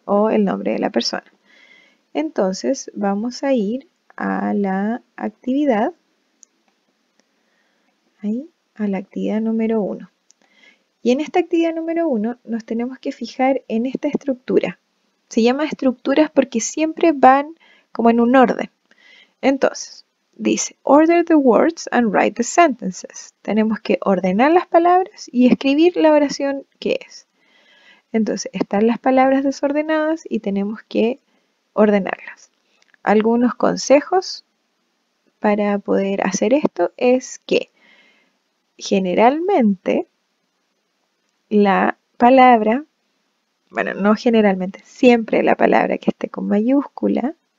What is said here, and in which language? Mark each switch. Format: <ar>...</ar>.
<es>O el nombre de la persona. Entonces vamos a ir a la actividad. Ahí, a la actividad número 1. Y en esta actividad número 1 nos tenemos que fijar en esta estructura. Se llama estructuras porque siempre van como en un orden. Entonces, dice,</es> <en>order the words and write the sentences.</en> <es>Tenemos que ordenar las palabras y escribir la oración que es. Entonces, están las palabras desordenadas y tenemos que ordenarlas. Algunos consejos para poder hacer esto es que generalmente la palabra, bueno, no generalmente, siempre la palabra que esté con mayúscula.</es>